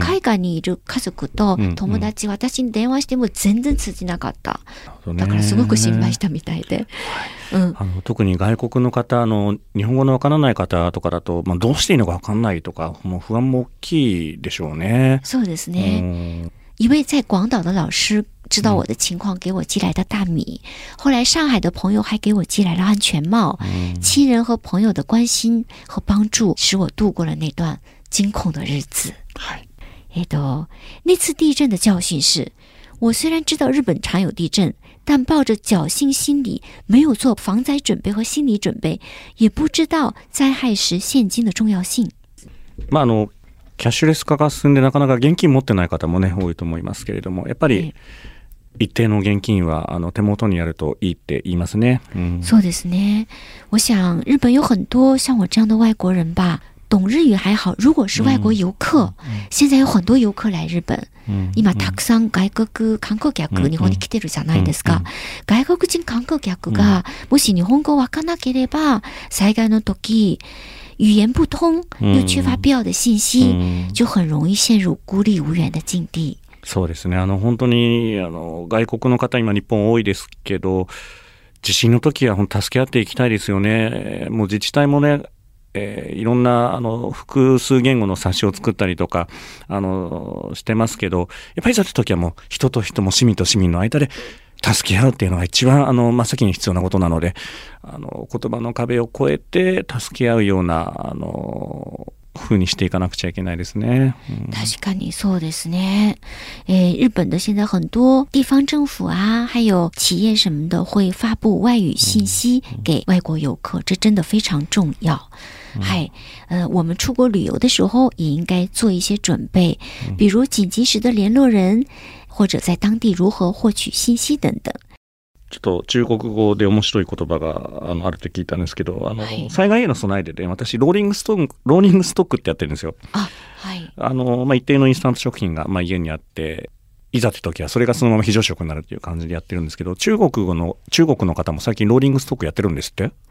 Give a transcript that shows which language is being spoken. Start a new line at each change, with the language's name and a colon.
Japanese: 海外にいる家族と友達、うんうん、私に電話しても全然通じなかった。だからすごく心配したみたいで、うん、あの特に外国の方、あの日本語のわからない方とかだと、まあ、どうしていいのかわからないとか、もう不安も大きいでしょうね。そうですね、
Chinese: 一位在广岛的老师知道我的情况，给我寄来的大米。后来上海的朋友还给我寄来了安全帽。亲人和朋友的关心和帮助，使我度过了那段惊恐的日子。那次地震的教训是，我虽然知道日本常有地震，但抱着侥幸心理，没有做防灾准备和心理准备，也不知道灾害时现金的重要性。
Japanese: まあのキャッシュレス化が進んでなかなか現金持ってない方もね多いと思いますけれども、やっぱり一定の現金はあの手元にあるといいって言いますね、うん、そうですね。
Chinese: 我想日本有很多像我这样的外国人吧，懂日语还好，如果是外国游客、うん、现在有很多游客来日本、うん、
Japanese: 今たくさん外国観光客、うん、日本に来てるじゃないですか、うん、外国人観光客が、うん、もし日本語わからなければ災害の時
Chinese: 语言不通又缺乏必要的信息、うん、就很容易陷入孤立无援的境地。
Japanese: そうですね、あの本当にあの外国の方今日本多いですけど、地震の時は本当助け合っていきたいですよね。もう自治体もね、いろんなあの複数言語の冊子を作ったりとかあのしてますけど、やっぱりそういう時はもう人と人も市民と市民の間で助け合うっていうのが一番あの真っ先に必要なことなので、あの言葉の壁を越えて助け合うようなあの風にしていかなくちゃいけないですね、うん、確かにそうですね、
Chinese: 日本的现在很多地方政府啊还有企业什么的会发布外语信息给外国游客、うん、这真的非常重要。嗨、我们出国旅游的时候也应该做一些准备、嗯、比如紧急时的联络人或者在当地如何获取信息等等。
Japanese: ちょっと中国語で面白い言葉があるって聞いたんですけど、あの、はい、災害への備えで、ね、私ローリングストックってやってるんですよ。あ、はい、あの、まあ、一定のインスタント食品が、まあ、家にあって、いざって時はそれがそのまま非常食になるっていう感じでやってるんですけど、中国の方も最近ローリングストックやってるんですって。